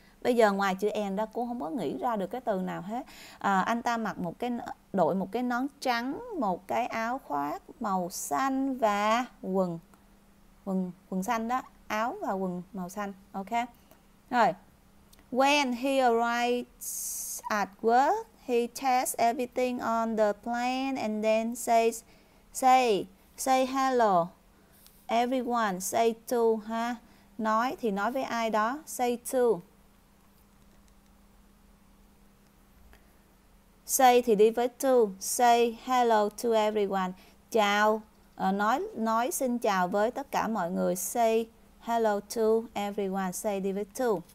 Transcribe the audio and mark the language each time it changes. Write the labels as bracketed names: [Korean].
[Vietnamese] Bây giờ ngoài chữ and đó cô không có nghĩ ra được cái từ nào hết. À, anh ta mặc một cái, đội một cái nón trắng, một cái áo khoác màu xanh và quần quần quần xanh đó, áo và quần màu xanh. Ok. Rồi. [English] When he arrives at work, he tests everything on the plane and then says say hello everyone, say to ha. [Vietnamese] Nói thì nói với ai đó, [English] say to. [Vietnamese] Say thì đi với to, [English] say hello to everyone. [Vietnamese] Chào, nói xin chào với tất cả mọi người. [English] Say hello to everyone, say [Vietnamese] đi với [English] to.